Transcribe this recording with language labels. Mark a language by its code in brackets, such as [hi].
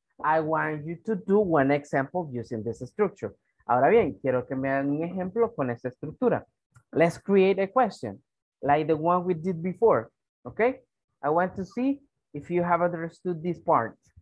[en] I want you to do one example using this structure. [es] Ahora bien, quiero que me hagan un ejemplo con esta estructura. [en] Let's create a question like the one we did before. Okay, I want to see if you have understood this part.